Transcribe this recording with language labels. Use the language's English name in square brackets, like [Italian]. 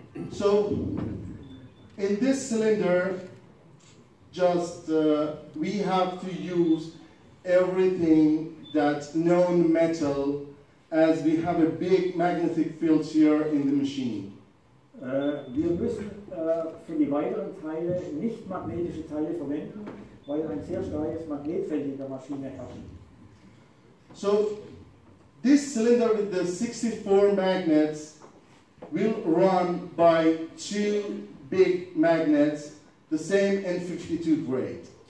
[English] So, in this cylinder, just we have to use everything that known metal, as we have a big magnetic field here in the machine. [German] Wir müssen für die weiteren Teile nicht magnetische Teile verwenden, weil ein sehr starkes Magnetfeld in der Maschine herrscht. [English] So, this cylinder with the 64 magnets will run by 2 big magnets, the same N52 grade.